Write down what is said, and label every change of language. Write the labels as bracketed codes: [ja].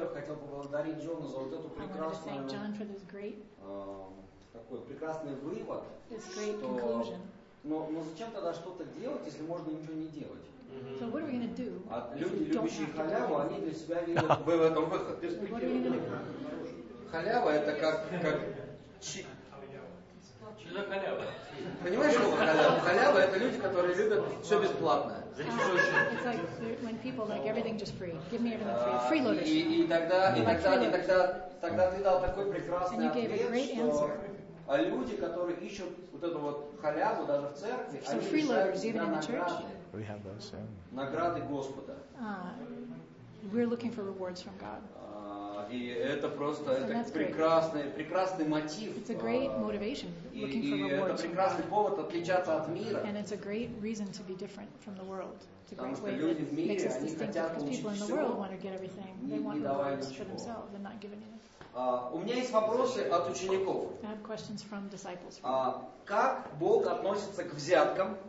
[en] I want to thank John for this great conclusion. [ru] Но зачем тогда что-то делать, если можно ничего не делать? [en] So what are we going to do? [ru] Люди, любящие халяву, они для себя видят в этом выход. Халява это как что за халява? Понимаешь, что халява? Халява это люди, которые любят все бесплатное. [en] It's like when people like everything just free. Give me everything free. Freeloaders. [ru] И тогда ты дал такой прекрасный ответ, что а люди, которые ищут вот эту вот халяву даже в церкви, они [en] freeloaders even in the church. We have those, yeah. [ru] Награды Господа. [en] We're looking for rewards from God. [ru] И это просто прекрасный мотив. [en] It's a great motivation, looking for rewards. [ru] И это прекрасный повод отличаться от мира. [en] And it's a great reason to be different from the world. [ru] Потому что люди в мире, они хотят получить все. [en] Because people in the world want to get everything. They want rewards for themselves and not give anything. [ru] У меня есть вопросы от учеников. [en] I have questions from disciples. [ru] Как Бог относится к взяткам?